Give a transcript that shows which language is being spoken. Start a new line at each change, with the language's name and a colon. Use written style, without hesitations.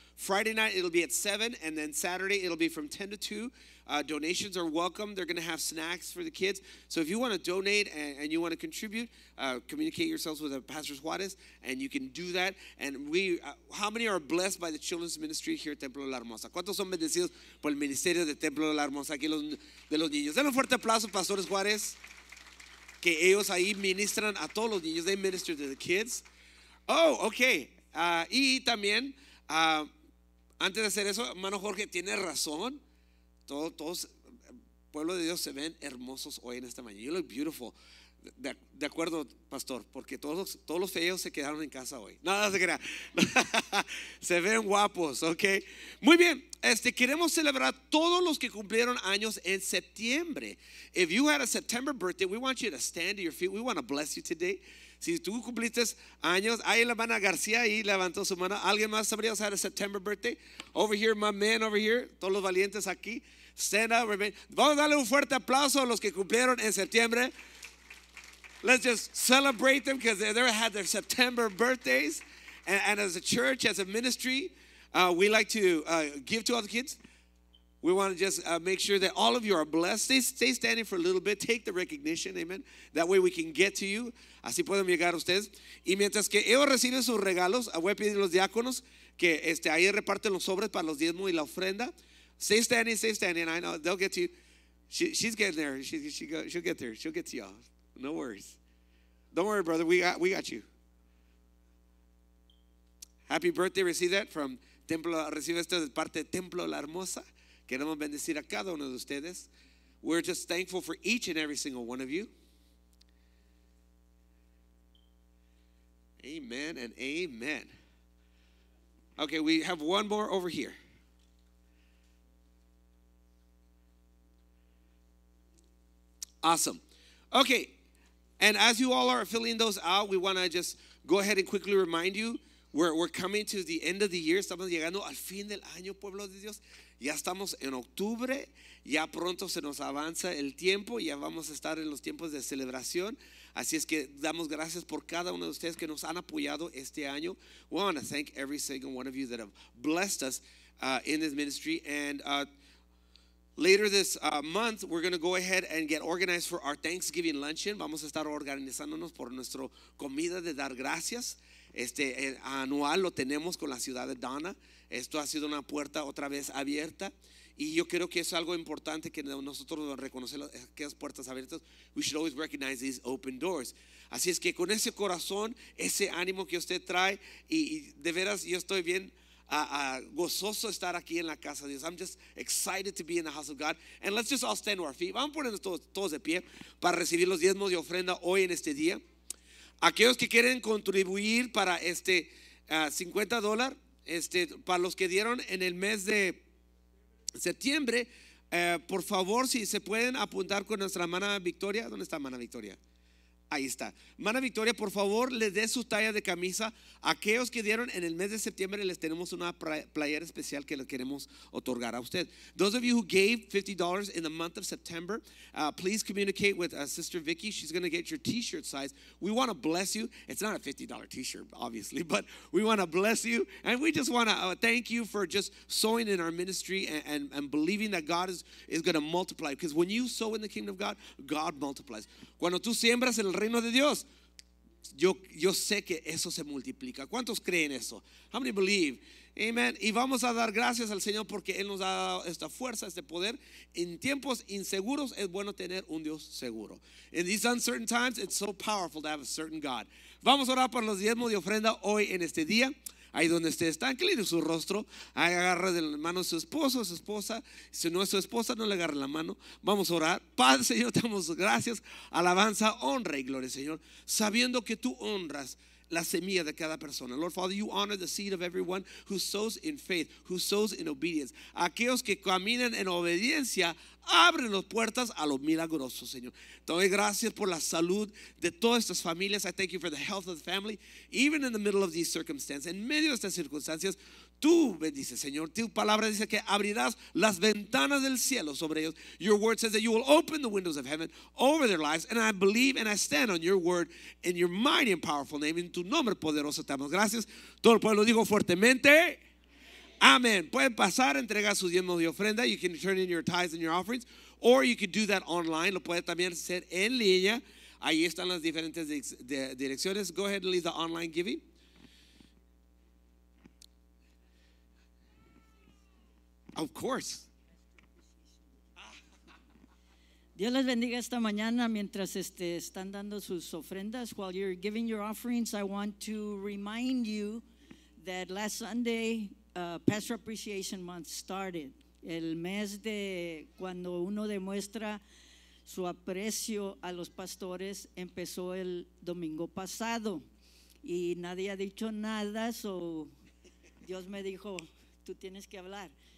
English: Friday night, it'll be at 7, and then Saturday, it'll be from 10 to 2. Donations are welcome. They're going to have snacks for the kids. So if you want to donate and you want to contribute, communicate yourselves with Pastor Juarez, and you can do that. And we, how many are blessed by the children's ministry here at Templo de la Hermosa?
Spanish: ¿Cuántos son bendecidos por el ministerio de Templo de la Hermosa aquí de los niños? Denle un fuerte aplauso, Pastores Juarez. Que ellos ahí ministran a todos los niños.
English: They minister to the kids. Oh, okay.
Spanish: Y también, antes de hacer eso, hermano Jorge, tiene razón. Todos, pueblo de Dios, se ven hermosos hoy en esta mañana.
English: You look beautiful.
Spanish: De acuerdo, pastor, porque todos los feos se quedaron en casa hoy. Nada se crea. Se ven guapos, okay. Muy bien. Queremos celebrar todos los que cumplieron años en septiembre.
English: If you had a September birthday, we want you to stand to your feet. We want to bless you today.
Spanish: Si tú cumpliste años, ahí la hermana García ahí levantó su mano. ¿Alguien más?
English: ¿Somebody else had a September birthday? Over here, my man over here.
Spanish: Todos los valientes aquí.
English: Stand up, remain.
Spanish: Vamos a darle un fuerte aplauso a los que cumplieron en septiembre.
English: Let's just celebrate them because they had their September birthdays. And as a church, as a ministry, we like to give to all the kids. We want to just make sure that all of you are blessed. Stay standing for a little bit. Take the recognition, amen. That way we can get to you.
Spanish: Así pueden llegar a ustedes. Y mientras que ellos reciben sus regalos, voy a pedir a los diáconos que ahí reparten los sobres para los diezmos y la ofrenda.
English: Stay standing. I know they'll get to you. She's getting there. She'll get there. She'll get to y'all. No worries. Don't worry, brother. We got you. Happy birthday. Receive that from Templo.
Spanish: Recibe esto de parte de Templo La Hermosa. Queremos bendecir a cada uno de ustedes.
English: We're just thankful for each and every single one of you. Amen and amen. Okay, we have one more over here. Awesome. Okay, and as you all are filling those out, we want to just go ahead and quickly remind you we're coming to the end of the year.
Spanish: Estamos llegando al fin del año, pueblo de Dios. Ya estamos en octubre, ya pronto se nos avanza el tiempo, ya vamos a estar en los tiempos de celebración. Así es que damos gracias por cada uno de ustedes que nos han apoyado este año. We want to thank every single one of you that have blessed us in this ministry. And later this month, we're going to go ahead and get organized for our Thanksgiving luncheon. Vamos a estar organizándonos por nuestro comida de dar gracias. Anual lo tenemos con la ciudad de Donna. Esto ha sido una puerta otra vez abierta y yo creo que es algo importante que nosotros reconocemos aquellas puertas abiertas.
English: We should always recognize these open doors.
Spanish: Así es que con ese corazón, ese ánimo que usted trae y de veras yo estoy bien gozoso estar aquí en la casa de Dios.
English: I'm just excited to be in the house of God. And let's just all stand to our feet.
Spanish: Vamos a ponernos todos de pie para recibir los diezmos y ofrenda hoy en este día. Aquellos que quieren contribuir para $50, para los que dieron en el mes de septiembre, por favor, si se pueden apuntar con nuestra hermana Victoria. ¿Dónde está hermana Victoria? Ahí está. Hermana Victoria, por favor, le dé su talla de camisa. Aquellos que dieron en el mes de septiembre, les tenemos una playera especial que le queremos otorgar a usted.
English: Those of you who gave $50 in the month of September, please communicate with Sister Vicky. She's going to get your t-shirt size. We want to bless you. It's not a $50 t-shirt, obviously, but we want to bless you. And we just want to thank you for just sowing in our ministry and believing that God is going to multiply. Because when you sow in the kingdom of God, God multiplies.
Spanish: Cuando tú siembras en el reino de Dios, yo sé que eso se multiplica. ¿Cuántos creen eso?
English: How many believe?
Spanish: Amen. Y vamos a dar gracias al Señor porque Él nos ha dado esta fuerza, este poder. En tiempos inseguros es bueno tener un Dios seguro.
English: In these uncertain times, it's so powerful to have a certain God.
Spanish: Vamos a orar por los diezmos de ofrenda hoy en este día. Ahí donde usted está, incline su rostro, ahí agarra de la mano a su esposo, a su esposa. Si no es su esposa, no le agarre la mano. Vamos a orar. Padre Señor, te damos gracias, alabanza, honra y gloria, Señor, sabiendo que tú honras la semilla de cada persona.
English: Lord Father, you honor the seed of everyone who sows in faith, who sows in obedience.
Spanish: Aquellos que caminan en obediencia abre las puertas a lo milagroso, Señor. Te doy gracias por la salud de todas estas familias.
English: I thank you for the health of the family, even in the middle of these circumstances.
Spanish: En medio de estas circunstancias, tú bendices, Señor. Tu palabra dice que abrirás las ventanas del cielo sobre ellos.
English: Your word says that you will open the windows of heaven over their lives. And I believe and I stand on your word in your mighty and powerful name.
Spanish: En tu nombre poderoso te damos gracias. Todo el pueblo digo fuertemente. Amén. Pueden pasar, entregar sus diezmos y ofrenda.
English: You can turn in your tithes and your offerings, or you can do that online.
Spanish: Lo puede también hacer en línea. Ahí están las diferentes direcciones.
English: Go ahead and leave the online giving. Of course.
Spanish: Dios les bendiga esta mañana mientras están dando sus ofrendas.
English: While you're giving your offerings, I want to remind you that last Sunday, Pastor Appreciation Month started.
Spanish: El mes de cuando uno demuestra su aprecio a los pastores empezó el domingo pasado. Y nadie ha dicho nada, so Dios me dijo, tú tienes que hablar.